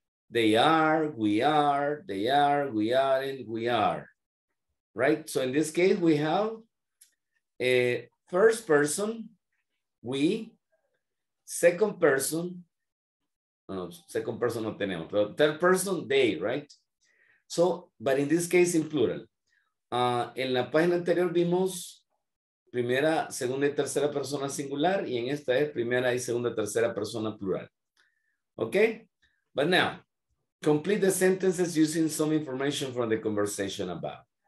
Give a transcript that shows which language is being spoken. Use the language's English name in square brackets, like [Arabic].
[English] They are, we are, and we are, right? So in this case, we have a first person, we, second person, second person [Spanish] no tenemos, [English] but third person, they, right? So, but in this case, in plural. [Spanish] En la página anterior vimos primera, segunda y tercera persona singular, y en esta es primera y segunda, tercera persona plural. [English] Okay? But now, complete the sentences using some information from the conversation above.